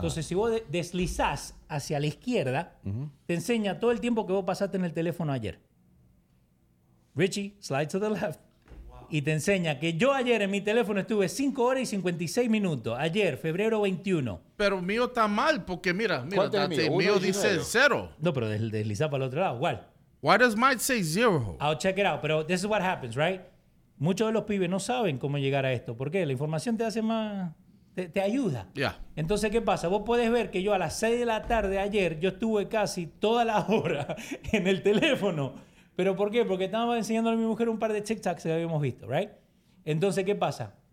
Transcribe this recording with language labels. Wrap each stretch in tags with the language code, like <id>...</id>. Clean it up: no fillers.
<es>Entonces, si vos deslizás hacia la izquierda, uh-huh, te enseña todo el tiempo que vos pasaste en el teléfono ayer. Richie,</es> <en>slide to the left. Wow.</en> <es>Y te enseña que yo ayer en mi teléfono estuve 5 horas y 56 minutos. Ayer, febrero 21. Pero mío está mal, porque mira, Dante, mío dice 0. No, pero desliza para el otro lado, igual.</es> <en>Why does mine say 0? I'll check it out,</en> <es>pero</es> <en>this is what happens, right?</en> <es>Muchos de los pibes no saben cómo llegar a esto. ¿Por qué? La información te hace más, te ayuda.</es> <en>Yeah.</en> <es>Entonces, ¿qué pasa? Vos puedes ver que yo a las 6 de la tarde ayer, yo estuve casi toda la hora en el teléfono. ¿Pero por qué? Porque estaba enseñando a mi mujer un par de TikToks que habíamos visto,</es> <en>right?</en> <es>Entonces, ¿qué pasa?</es>